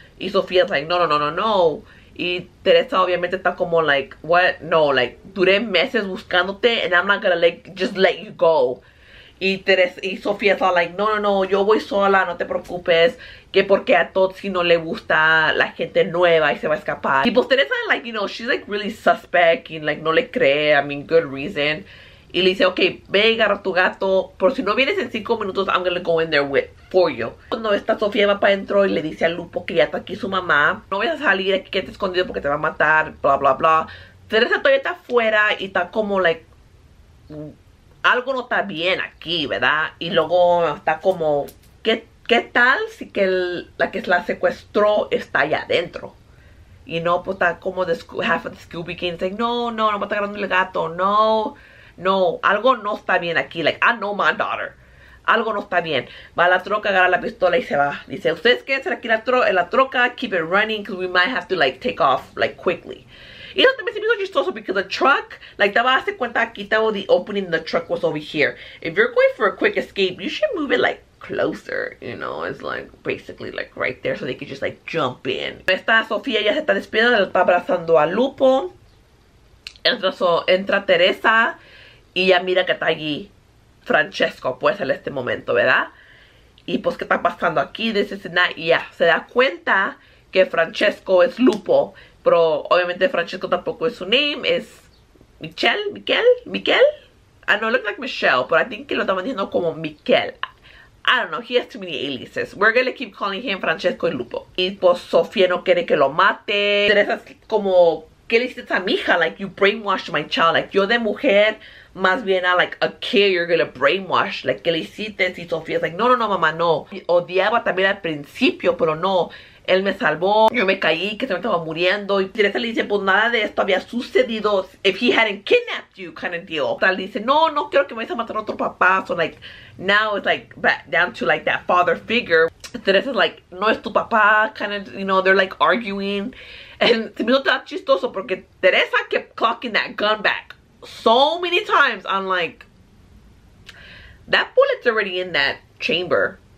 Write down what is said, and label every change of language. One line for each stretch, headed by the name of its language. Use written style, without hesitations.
Spanish: Y Sofía's like, no. Y Teresa obviamente está como, like, what?
English: No, like,
Spanish: duré meses buscándote
English: and I'm not gonna, like, just let you go.
Spanish: Y Teresa, y Sofía's all like, no, yo voy sola, no te preocupes. Que porque a Totsi no le gusta la gente nueva y se va a escapar.
English: Y pues Teresa, like, you know, she's like really suspect and like
Spanish: no le cree,
English: I mean, good reason.
Spanish: Y le dice, ok, ve y agarra tu gato, pero si no vienes en 5 minutos,
English: I'm gonna go in there with for you.
Spanish: Cuando esta Sofía va para adentro y le dice a Lupo que ya está aquí su mamá, no vayas a salir aquí, quédate escondido porque te va a matar, bla, bla, bla. Teresa todavía está afuera y está como, like, algo no está bien aquí, ¿verdad? Y luego está como, ¿qué tal si que la que la secuestró está allá adentro? Y no, pues está como
English: half of the Scooby King saying,
Spanish: no me está agarrando el gato, no, algo no está bien aquí, like,
English: I know my daughter,
Spanish: algo no está bien. Va a la troca, agarra la pistola y se va. Dice, ustedes quédense aquí en la troca,
English: keep it running, because we might have to, like, take off, like, quickly.
Spanish: Y eso también se me hizo chistoso porque the truck, like, te vas a hacer cuenta aquí, estaba
English: the opening the truck was over here. If you're going for a quick escape, you should move it, like, closer, you know, it's like basically like right there so they could just like jump in.
Spanish: Esta Sofía ya se está despidiendo, está abrazando a Lupo. Entra Teresa y ya mira que está allí Francesco, pues, en este momento, ¿verdad? Y pues, ¿qué está pasando aquí?
English: This is not, yeah,
Spanish: se da cuenta que Francesco es Lupo. Pero obviamente Francesco tampoco es su name, es Miquel.
English: I know it looks like Michelle, but I think
Spanish: que lo estaban diciendo como Miquel.
English: I don't know, he has too many aliases. We're gonna keep calling him Francesco
Spanish: y Lupo. Y pues Sofía no quiere que lo mate. Teresa es como ¿qué le hiciste a mi hija?
English: Like, you brainwashed my child. Like,
Spanish: yo de mujer, más bien a,
English: like, a kid, you're gonna brainwash. Like,
Spanish: ¿qué le hiciste? Y Sofía es like, no, no, no, mamá, no. Y odiaba también al principio, pero no. Él me salvó, yo me caí, que se me estaba muriendo. Y Teresa le dice, pues nada de esto había sucedido
English: if he hadn't kidnapped you, kind of deal.
Spanish: Tal dice, no, no quiero que me vayas a matar a otro papá.
English: So, like, now it's, like, back down to, like, that father figure.
Spanish: Teresa es like, no es tu papá,
English: kind of, you know, they're, like, arguing. And
Spanish: se me hizo tan chistoso porque
English: Teresa kept cocking that gun back so many times. I'm like, that bullet's already in that chamber.